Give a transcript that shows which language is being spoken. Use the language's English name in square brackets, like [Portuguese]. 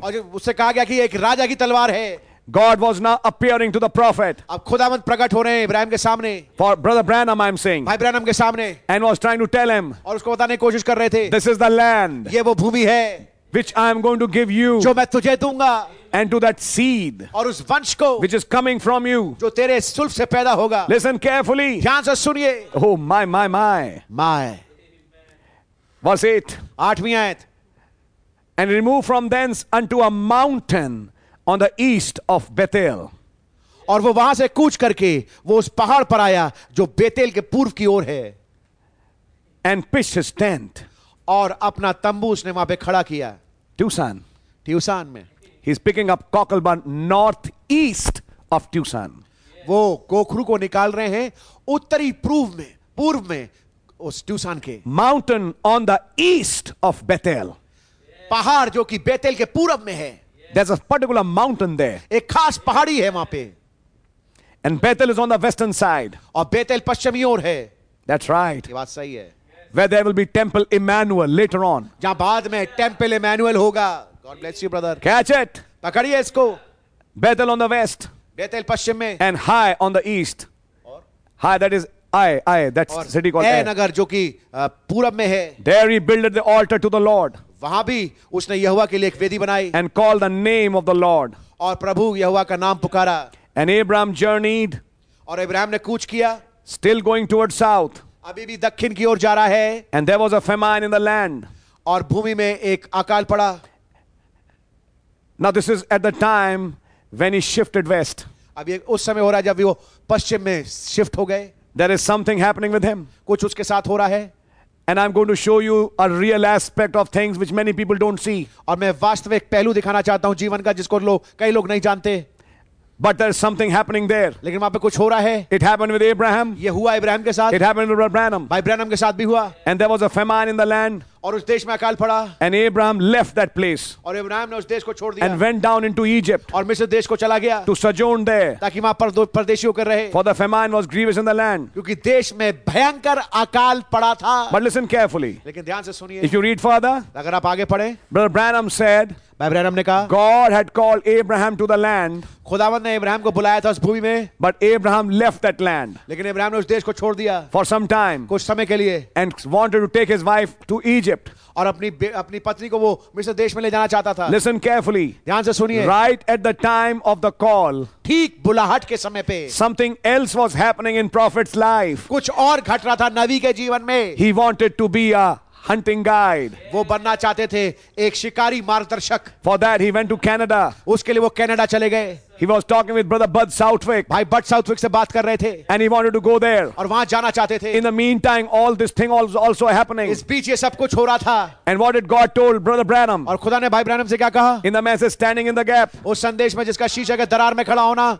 [Hindi] और उससे कहा गया कि एक राजा की तलवार है. [English] God was now appearing to the prophet. [Hindi] अब खुदावंद प्रकट हो रहे हैं इब्राहिम के सामने. [English] For brother Branham, I'm saying. [Hindi] भाई ब्रैनम के सामने. [English] And was trying to tell him. [Hindi] और उसको बताने की कोशिश कर रहे थे. [English] This is the land. [Hindi] ये वो भूमि है. [English] Which I am going to give you. [Hindi] जो मैं तुझे दूंगा. [English] And to that seed. [Hindi] और उस वंश को. [English] Which is coming from you. [Hindi] जो तेरे सुल्फ से पैदा होगा. [English] Listen carefully. [Hindi] ध्यान से सुनिए. [English] Oh my. Amen. Verse 8. [Hindi] 8th ayat. [English] And remove from thence unto a mountain on the east of Bethel. [Hindi] और वो वहां से कूच करके वो उस पहाड़ पर आया जो बेतेल के पूर्व की ओर है. [English] And pitched his tent. [Hindi] और अपना तंबू उसने वहां पे खड़ा किया. [English] Tucson. [Hindi] Tucson में. [English] He's picking up Cockleburn northeast of Tucson. [Hindi] वो कोखरू को निकाल रहे हैं उत्तरी पूर्व में उस ट्यूसान के. [English] Mountain on the east of Bethel. [Hindi] पहाड़ जो कि बेतेल के पूरब में है. [English] There's a particular mountain there. [Hindi] एक खास पहाड़ी है वहां पे. [English] And Bethel is on the western side. [Hindi] और बेतेल पश्चिमी ओर है. [English] That's right. [Hindi] ये बात सही है. [English] Where there will be Temple Emmanuel later on. [Hindi] जहां बाद में Temple Emmanuel होगा. [English] God bless you, brother. Catch it. [Hindi] पकड़िए इसको. [English] Bethel on the west. [Hindi] Bethel पश्चिम में. [English] And Ai on the east. और Ai, that is Ai. Ai, that's the city called Ai. [Hindi] नगर जो कि पूरब में है. [English] There he builded the altar to the Lord. [Hindi] वहां भी उसने यहोवा के लिए एक वेदी बनाई. [English] And called the name of the Lord. [Hindi] और प्रभु यहोवा का नाम पुकारा. [English] And Abraham journeyed. [Hindi] और अब्राहम ने कूच किया. [English] Still going towards south. [Hindi] अभी भी दक्षिण की ओर जा रहा है. [English] And there was a famine in the land. [Hindi] और भूमि में एक अकाल पड़ा. [English] Now this is at the time when he shifted west. [Hindi] अभी उस समय हो रहा है जब वो पश्चिम में शिफ्ट हो गए. [English] There is something happening with him. [Hindi] कुछ उसके साथ हो रहा है. [English] And I'm going to show you a real aspect of things which many people don't see. [Hindi] और मैं वास्तविक पहलू दिखाना चाहता हूँ जीवन का जिसको लोग कई लोग नहीं जानते. [English] But there's something happening there. [Hindi] लेकिन वहाँ पे कुछ हो रहा है. [English] It happened with Abraham. [Hindi] ये हुआ इब्राहिम के साथ. [English] It happened with Branham. [Hindi] भाई ब्रैनम के साथ भी हुआ. [English] And there was a famine in the land. [Hindi] और उस देश में अकाल पड़ा. [English] And Abraham left that place. [Hindi] और इब्राहिम ने उस देश को छोड़ दिया. [English] And went down into Egypt. [Hindi] और मिस्र देश को चला गया. [English] To sojourn there. [Hindi] ताकि वहाँ पर परदेशी होकर रहे. [English] For the famine was grievous in the land. [Hindi] क्योंकि देश में भयंकर अकाल पड़ा था. [English] But listen carefully. [Hindi] लेकिन ध्यान से सुनिए. [English] If you read further. [Hindi] अगर आप आगे पढ़ें. [English] Brother Branham said. [Hindi] Abraham ने कहा. [English] God had called Abraham to the land. [Hindi] खुदावंद ने इब्राहिम को बुलाया था उस भूमि में. [English] But Abraham left that land. [Hindi] लेकिन इब्राहिम ने उस देश को छोड़ दिया. [English] For some time. [Hindi] कुछ समय के लिए. [English] And wanted to take his wife to Egypt. [Hindi] और अपनी पत्नी को वो मिस्र देश में ले जाना चाहता था. [English] Listen carefully. [Hindi] ध्यान से सुनिए. [English] Right at the time of the call. [Hindi] ठीक बुलाहट के समय पे. [English] Something else was happening in prophet's life. [Hindi] कुछ और घट रहा था नबी के जीवन में. [English] He wanted to be a hunting guide. [Hindi] वो बनना चाहते थे एक शिकारी मार्गदर्शक. [English] For that he went to Canada. [Hindi] उसके लिए वो कनाडा चले गए. [English] He was talking with brother Bud Southwick. [Hindi] भाई बड साउथविक से बात कर रहे थे. [English] And he wanted to go there. [Hindi] और वहां जाना चाहते थे. [English] In the meantime all this thing was also happening. [Hindi] इस बीच ये सब कुछ हो रहा था. [English] And what did God told brother Branham? [Hindi] और खुदा ने भाई ब्रैनम से क्या कहा? [English] In the message standing in the gap. [Hindi] उस संदेश में जिसका शीर्षक है दरार में खड़ा होना.